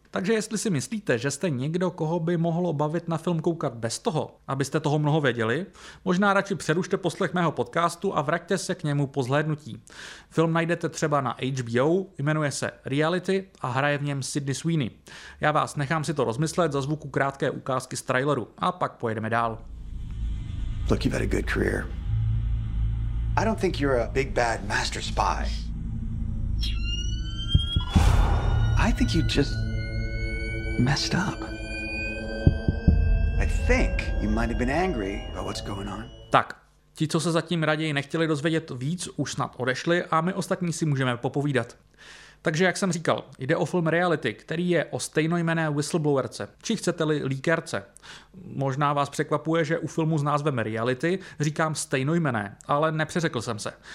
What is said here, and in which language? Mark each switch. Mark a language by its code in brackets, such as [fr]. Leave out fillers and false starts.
[cs] Takže jestli si myslíte, že jste někdo, koho by mohlo bavit na film koukat bez toho, abyste toho mnoho věděli, možná radši přerušte poslech mého podcastu a vraťte se k němu po zhlédnutí. Film najdete třeba na HBO, jmenuje se Reality a hraje v něm Sydney Sweeney. Já vás nechám si to rozmyslet za zvuku krátké ukázky z traileru a pak pojedeme dál. [en] Look, you've had a good career. I don't think you're a big bad master spy. I think you just messed up. I think you might have been angry about what's going on. [cs] Tak, ti, co se zatím raději nechtěli dozvědět víc, už snad odešli a my ostatní si můžeme popovídat. Takže jak jsem říkal, jde o film reality, který je o stejnojmenné whistleblowerce, či chcete-li líkerce. Možná vás překvapuje, že u filmu s názvem reality říkám stejnojmenné, ale nepřeřekl jsem se.